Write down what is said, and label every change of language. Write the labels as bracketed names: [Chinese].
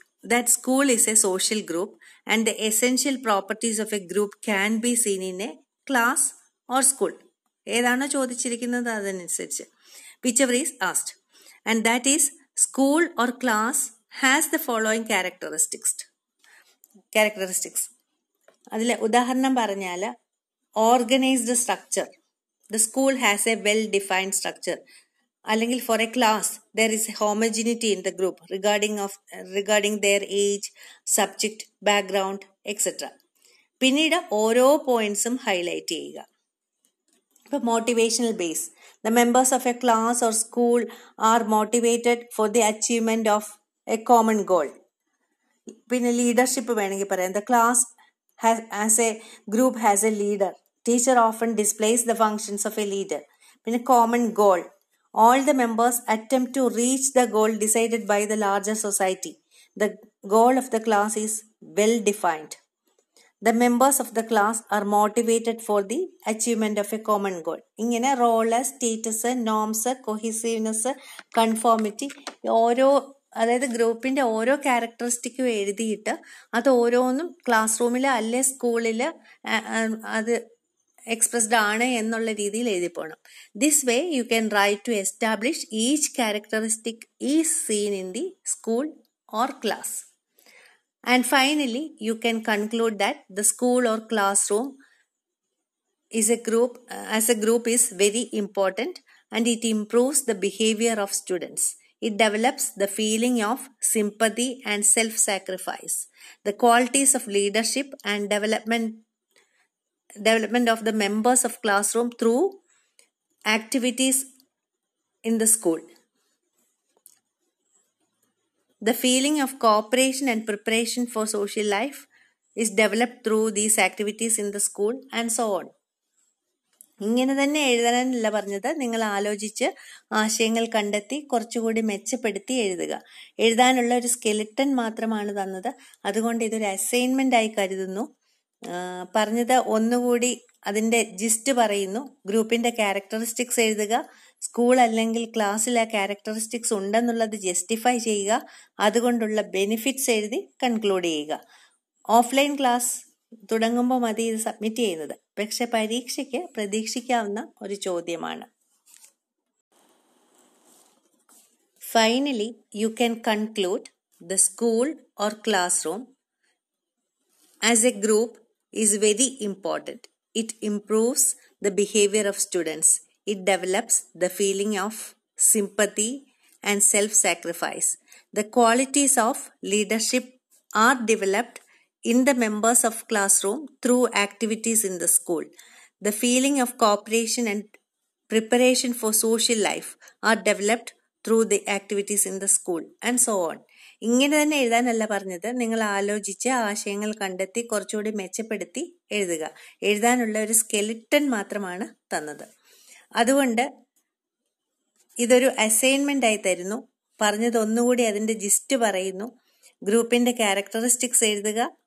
[English] that school is a social group and the essential properties of a group can be seen in a class or school [Malayalam] ഏതാണോ ചോദിച്ചിരിക്കുന്നത് അതിനനുസരിച്ച് [English] whichever is asked and that is school or class has the following characteristics [Malayalam] അതിൽ ഉദാഹരണം പറഞ്ഞാൽ [English] Organised structure The school has a well-defined structure. [Malayalam] Allengil [English] for a class, there is a homogeneity in the group regarding their age, subject, background, etc. [Malayalam] Pinnida oro pointsum highlight cheyuka. [English] For motivational base, the members of a class or school are motivated for the achievement of a common goal. [Malayalam] Pinne leadership venengi parayan, [English] the class has a leader. Teacher often displays the functions of a leader [Malayalam] പിന്നെ [English] common goal all the members attempt to reach the goal decided by the larger society the goal of the class is well defined the members of the class are motivated for the achievement of a common goal ഇങ്ങനെ role status norms cohesiveness conformity [Malayalam] ഓരോ അതായത് ഗ്രൂപ്പിൻ്റെ ഓരോ ക്യാരക്ടറിസ്റ്റിക്കും എഴുതിയിട്ട് അത് ഓരോന്നും class റൂമിൽ അല്ലെ സ്കൂളിൽ അത് എക്സ്പ്രസ്ഡ് ആണ് എന്നുള്ള രീതിയിൽ എഴുതി പോകണം. [English] This way you can write to establish each characteristic is seen in the school or class. And finally you can conclude that the school or classroom is a group as a group is very important and it improves the behaviour of students. It develops the feeling of sympathy and self-sacrifice. The qualities of leadership and development of the members of classroom through activities in the school. The feeling of cooperation and preparation for social life is developed through these activities in the school and so on. [Malayalam] ഇങ്ങനെ തന്നെ എഴുതാനല്ല പറഞ്ഞത്, നിങ്ങൾ ആലോചിച്ച് ആശയങ്ങൾ കണ്ടെത്തി കുറച്ചുകൂടി മെച്ചപ്പെടുത്തി എഴുതുക. എഴുതാനുള്ള ഒരു സ്കെലിട്ടൻ മാത്രമാണ് തന്നത്, അതുകൊണ്ട് ഇതൊരു അസൈൻമെൻ്റായി കരുതുന്നു. പറഞ്ഞത് ഒന്നുകൂടി അതിൻ്റെ ജിസ്റ്റ് പറയുന്നു. ഗ്രൂപ്പിൻ്റെ ക്യാരക്ടറിസ്റ്റിക്സ് എഴുതുക. സ്കൂൾ അല്ലെങ്കിൽ ക്ലാസ്സിൽ ആ ക്യാരക്ടറിസ്റ്റിക്സ് ഉണ്ടെന്നുള്ളത് ജസ്റ്റിഫൈ ചെയ്യുക. അതുകൊണ്ടുള്ള ബെനിഫിറ്റ്സ് എഴുതി കൺക്ലൂഡ് ചെയ്യുക. ഓഫ്ലൈൻ ക്ലാസ് തുടങ്ങുമ്പോൾ മതി ഇത് സബ്മിറ്റ് ചെയ്യുന്നത്. പക്ഷെ പരീക്ഷയ്ക്ക് പ്രതീക്ഷിക്കാവുന്ന ഒരു ചോദ്യമാണ്. [English] Finally you can conclude the school or classroom as a group is very important. It improves the behaviour of students. It develops the feeling of sympathy and self sacrifice. The qualities of leadership are developed in the members of classroom through activities in the school. The feeling of cooperation and preparation for social life are developed through the activities in the school and so on. [Malayalam] ഇങ്ങനെ തന്നെ എഴുതാനല്ല പറഞ്ഞത്, നിങ്ങൾ ആലോചിച്ച് ആശയങ്ങൾ കണ്ടെത്തി കുറച്ചുകൂടി മെച്ചപ്പെടുത്തി എഴുതുക. എഴുതാനുള്ള ഒരു സ്കെലിട്ടൺ മാത്രമാണ് തന്നത്, അതുകൊണ്ട് ഇതൊരു അസൈൻമെൻ്റായി തരുന്നു. പറഞ്ഞത് ഒന്നുകൂടി അതിൻ്റെ ജിസ്റ്റ് പറയുന്നു. ഗ്രൂപ്പിൻ്റെ ക്യാരക്ടറിസ്റ്റിക്സ് എഴുതുക.